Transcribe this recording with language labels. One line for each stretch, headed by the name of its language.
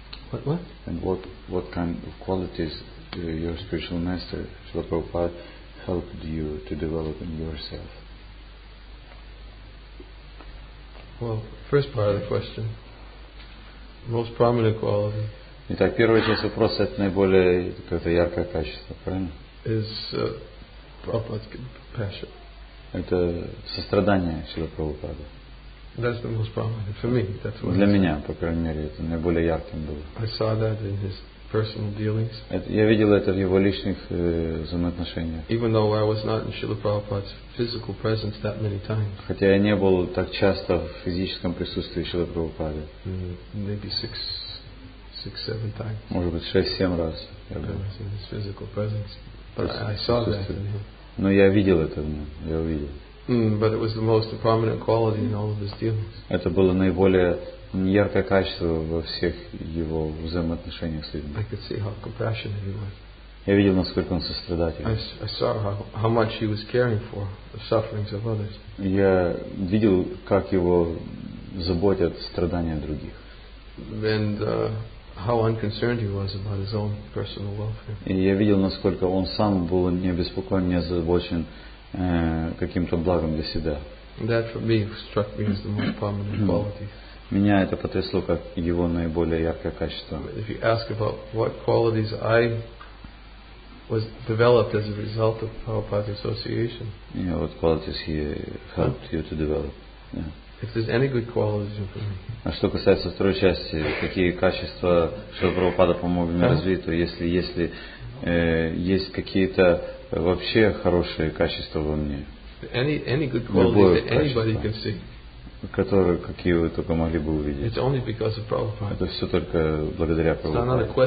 English: What? And what kind of qualities your spiritual master, Srila Prabhupada, helped you to develop in yourself? Well, first part of the question, most prominent quality.
Russian: Итак, первая часть вопроса это наиболее какое-то яркое качество, правильно?
English: Is Prabhupada's compassion.
Russian: Это сострадание Шрила Прабхупады.
English: That's the most prominent for me. That's what
Russian: для меня, по крайней мере, это наиболее ярким было.
English: I saw that in his personal dealings.
Russian: Я видел это в его личных взаимоотношениях.
English: Even though I was not in Srila Prabhupada's physical presence that many times.
Russian: Хотя я не был так часто в физическом присутствии Шрила Прабхупады.
English: Maybe six, seven times.
Russian: Может быть, 6-7 раз.
English: In his physical presence, but I saw that in him.
Russian: Но я видел это в нем, я увидел.
English: But it was the most prominent quality in all of his dealings.
Russian: Это было наиболее яркое качество во всех его взаимоотношениях с людьми.
English: I could see how compassionate he was.
Russian: Я видел, насколько он сострадательный.
English: I saw how much he was caring for the sufferings of others.
Russian: Я видел, как его заботят страдания других.
English: And how unconcerned he was about his own personal welfare.
Russian: И я видел, насколько он сам был не обеспокоен, не озабочен каким-то благом для себя.
English: That for me struck me as the most prominent quality.
Russian: Меня это потрясло как его наиболее яркое качество.
English: If you ask about what qualities I was developed as a result of Prabhupada's association. Yeah, what qualities he helped you to develop. Yeah. If there's any good qualities in me.
Russian: А что касается второй части, какие качества Шрила Прабхупада помог мне развить, то если есть какие-то вообще хорошие качества во мне.
English: Any good qualities that anybody can see.
Russian: Которые, какие вы только могли бы увидеть. Это все только благодаря Прабхупаде.